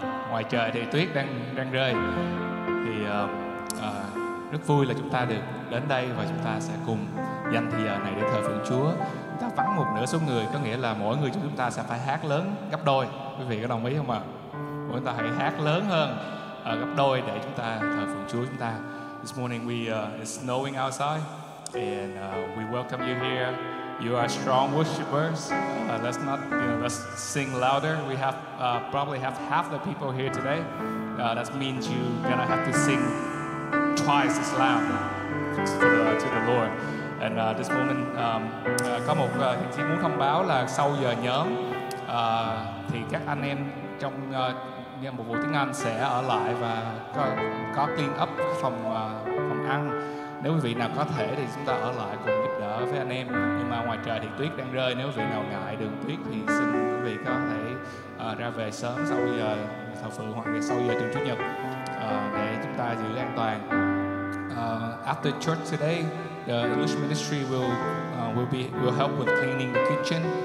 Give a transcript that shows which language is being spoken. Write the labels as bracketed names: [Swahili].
[Vietnamese] Ngoài trời thì tuyết đang rơi. Thì rất vui là chúng ta được đến đây và chúng ta sẽ cùng dành thời giờ này để thờ phượng Chúa. Chúng ta vắng một nửa số người có nghĩa là mỗi người chúng ta sẽ phải hát lớn gấp đôi. Quý vị có đồng ý không ạ? Chúng ta hãy hát lớn hơn gấp đôi để chúng ta thờ phượng Chúa chúng ta. [English] This morning it's snowing outside, and we welcome you here. You are strong worshipers. Let's sing louder. We have probably have half the people here today. That means you're gonna have to sing twice as loud to the Lord. And this morning, [Vietnamese] có một hiện thị muốn thông báo là sau giờ nhóm thì các anh em trong nghe một buổi tiếng Anh sẽ ở lại và có clean up phòng phòng ăn. Nếu quý vị nào có thể thì chúng ta ở lại cùng giúp đỡ với anh em. Nhưng mà ngoài trời thì tuyết đang rơi. Nếu quý vị nào ngại đường tuyết thì xin quý vị có thể ra về sớm sau giờ thờ phượng hoặc là sau giờ trường chủ nhật để chúng ta giữ an toàn. [English] After church today, the English ministry will help with cleaning the kitchen.